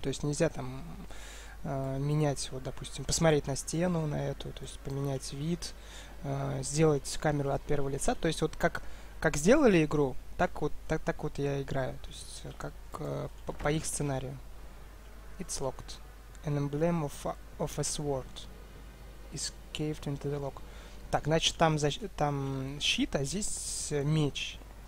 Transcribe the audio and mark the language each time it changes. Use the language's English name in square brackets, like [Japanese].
[Russian] То есть нельзя там менять, вот, допустим, посмотреть на стену, на эту, то есть поменять вид, сделать камеру от первого лица. То есть вот как сделали игру, так вот я играю. То есть как по их сценарию. [English] It's locked. An emblem of a sword is caved into the lock. [Russian] Так, значит, там щит, а здесь меч.